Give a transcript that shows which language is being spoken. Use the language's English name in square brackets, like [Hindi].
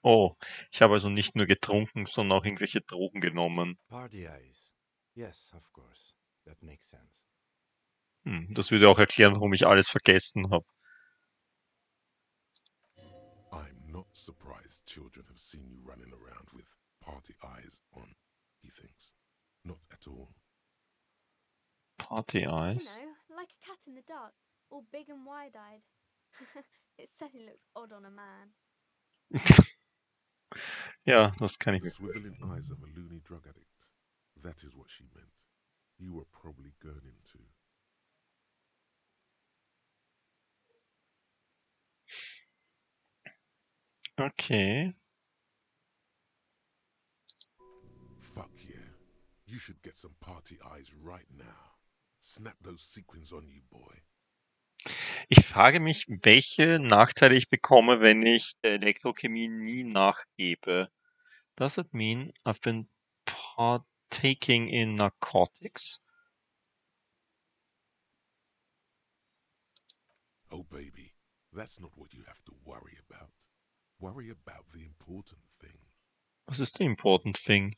[German] Oh, ich habe also nicht nur getrunken, sondern auch irgendwelche Drogen genommen. [English] Party eyes. Yes, of course. That makes sense. [German] Das würde auch erklären, warum ich alles vergessen habe. [English] I'm not surprised children have seen you running around with party eyes on, he thinks. Not at all. Party eyes? You know, like a cat in the dark, all big and wide-eyed. It certainly looks odd on a man. [German] Ja, das kann ich mir vorstellen. [English] The swiveling eyes of a loony drug addict. That is what she meant. You were probably gurning to. Okay. Fuck yeah. You should get some party eyes right now. Snap those sequins on you, boy. Ich frage mich, welche Nachteile ich bekomme, wenn ich der Elektrochemie nie nachgebe. Does that mean I've been partaking in narcotics? Oh baby, that's not what you have to worry about. Worry about the important thing. [German] Was ist [English] the important thing?